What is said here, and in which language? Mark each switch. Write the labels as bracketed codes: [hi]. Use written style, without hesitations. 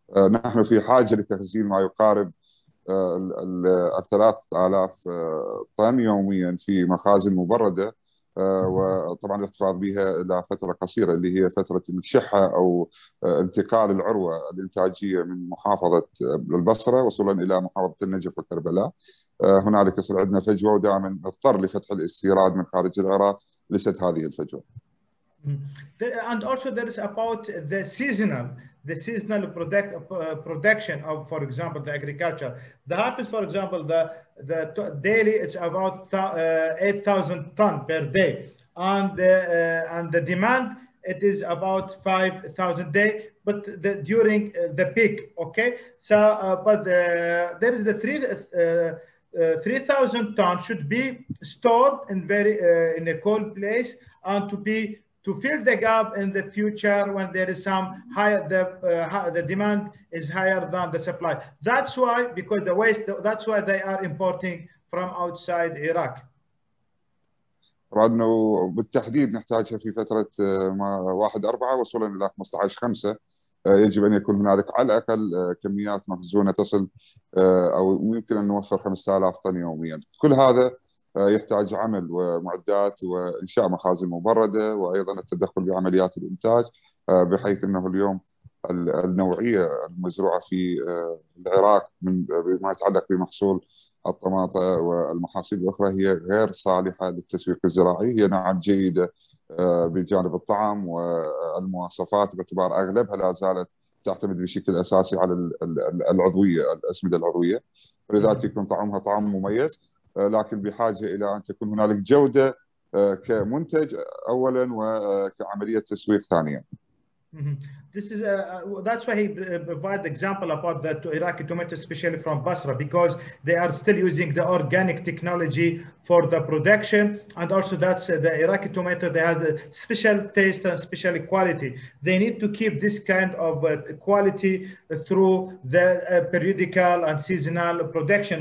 [ar] نحن في حاجه لتخزين ما يقارب ال 3000 طن يوميا في مخازن مبرده وطبعا الاحتفاظ بها الى فتره قصيره اللي هي فتره الشحه او انتقال العروه الانتاجيه من محافظه البصره وصولا الى محافظه النجف وكربلاء. هنالك يصير عندنا فجوه ودائما نضطر لفتح الاستيراد من خارج العراق لسد هذه الفجوه. [en] And also there is about the seasonal, production of, for example, the agriculture. The harvest, for example, the daily, it's about 8,000 ton per day. And the demand, it is about 5,000 day, but during the peak, okay? So, but there is the 3,000 ton should be stored in very in a cold place and to be to fill the gap in the future when there is some higher the demand is higher than the supply. That's why, because the waste, that's why they are importing from outside Iraq. [ar] رأينا بالتحديد نحتاج في فترة 1/4 وصولا إلى 15/5 يجب أن يكون هناك على الأقل كميات مخزونة تصل أو يمكن أن نوفر 5,000 طن يوميا. كل هذا يحتاج عمل ومعدات وإنشاء مخازن مبردة وأيضا التدخل بعمليات الإنتاج، بحيث أنه اليوم النوعية المزروعة في العراق من ما يتعلق بمحصول الطماطم والمحاصيل الأخرى هي غير صالحة للتسويق الزراعي، هي نعم جيدة بجانب الطعم والمواصفات باعتبار أغلبها لا زالت تعتمد بشكل أساسي على العضوية، الأسمدة العضوية، لذلك يكون طعمها طعم مميز، لكن بحاجة إلى أن تكون هنالك جودة كمنتج أولا وكعملية تسويق ثانية. [en] This is that's why he provide example about the Iraqi tomatoes, especially from Basra, because they are still using the organic technology for the production, and also that's the Iraqi tomato. They have a special taste and special quality. They need to keep this kind of quality through the periodical and seasonal production.